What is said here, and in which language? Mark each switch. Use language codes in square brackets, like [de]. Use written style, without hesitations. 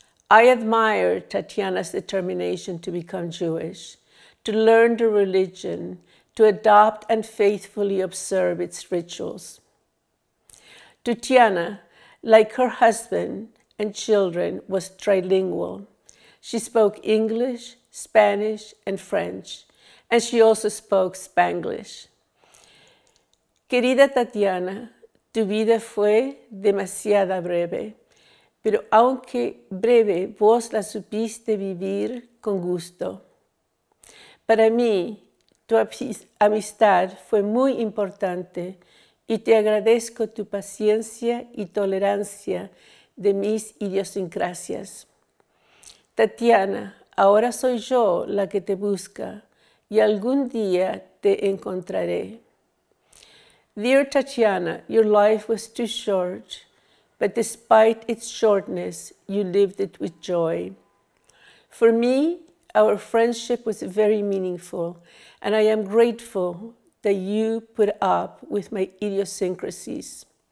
[en] I admire Tatiana's determination to become Jewish, to learn the religion, to adopt and faithfully observe its rituals. Tatiana, like her husband and children, was trilingual. She spoke English, Spanish, and French, and she also spoke Spanglish. [es] Querida Tatiana, tu vida fue demasiada breve, pero aunque breve, vos la supiste vivir con gusto. Para mí, tu amistad fue muy importante y te agradezco tu paciencia y tolerancia de mis idiosincrasias. Tatiana, ahora soy yo la que te busca y algún día te encontraré. [en] Dear Tatiana, your life was too short, but despite its shortness, you lived it with joy. For me, our friendship was very meaningful, and I am grateful that you put up with my idiosyncrasies.